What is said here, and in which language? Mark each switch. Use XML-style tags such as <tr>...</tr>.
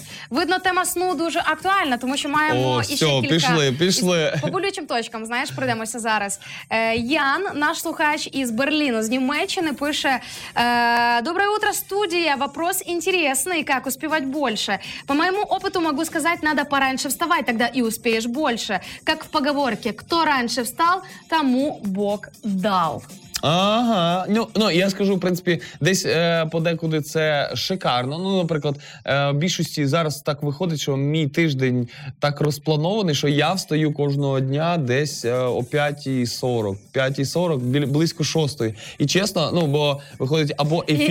<uk>Видно, тема сну дуже актуальна, тому що маємо іще кілька. Пішли. По болючим точкам, знаєш, пройдемося зараз. Ян, наш слухач із Берліну, з Німеччини, пише:</uk> <ru>«Доброе утро, студія, вопрос интересный, как успевать больше? По моему опыту могу сказать, надо пораньше вставать, тогда и успеешь больше. Как в поговорке, кто раньше встал, тому Бог дал».</ru> <uk>Ага, ну я скажу, в принципі, десь подекуди це шикарно. Ну, наприклад, в більшості зараз так виходить, що мій тиждень так розпланований, що я встаю кожного дня десь о 5:40. 5:40, близько 6:00. І чесно, ну бо виходить або ефір.</uk>